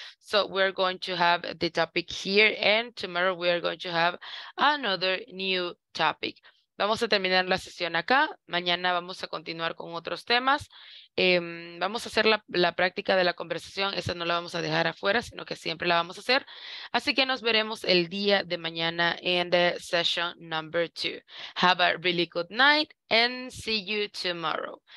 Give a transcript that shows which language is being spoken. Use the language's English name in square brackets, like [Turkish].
[English] So, we're going to have the topic here. And tomorrow we are going to have another new topic. [Spanish] Vamos a terminar la sesión acá. Mañana vamos a continuar con otros temas. Vamos a hacer la práctica de la conversación. Esa no la vamos a dejar afuera, sino que siempre la vamos a hacer. Así que nos veremos el día de mañana en [English] the session number 2. Have a really good night and see you tomorrow.